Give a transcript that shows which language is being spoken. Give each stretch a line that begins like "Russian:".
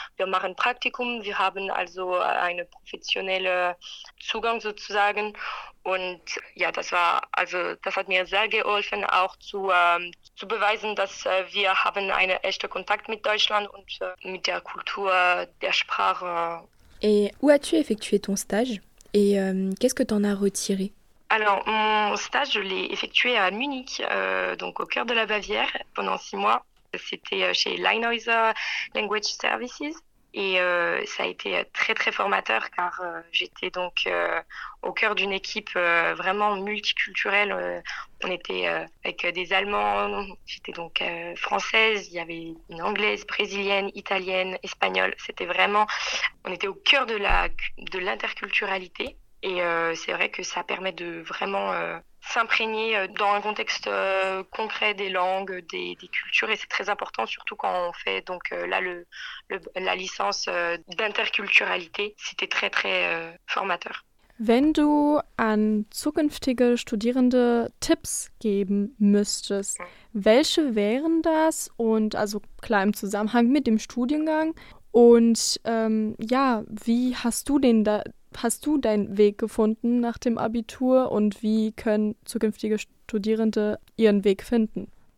German: Wir machen Praktikum, wir haben also einen professionellen Zugang sozusagen. Und ja, das hat mir sehr geholfen, auch zu beweisen, dass wir haben einen echten Kontakt mit Deutschland und mit der Kultur, der Sprache.
French: Et où as-tu effectué ton stage? Et qu'est-ce que t'en as retiré? Alors, mon stage, je l'ai effectué à Munich, donc au cœur de la Bavière, pendant 6 mois. C'était chez Lighthizer Language Services. Et ça a été très, très formateur, car j'étais donc au cœur d'une équipe vraiment multiculturelle. On était avec des Allemands, j'étais donc française, il y avait une Anglaise, Brésilienne, Italienne, Espagnole. C'était vraiment, on était au cœur de l'interculturalité. Et c'est vrai que ça permet de vraiment s'imprégner dans un contexte concret des langues, des cultures. Et c'est très important, surtout quand on fait donc la licence d'interculturalité. C'était très, très formateur.
German: Wenn du an zukünftige Studierende Tipps geben müsstest, welche wären das? Und also klar im Zusammenhang mit dem Studiengang. Und ja, wie hast du den da? Hast du deinen Weg gefunden nach dem Abitur und wie können zukünftige Studierende ihren Weg finden?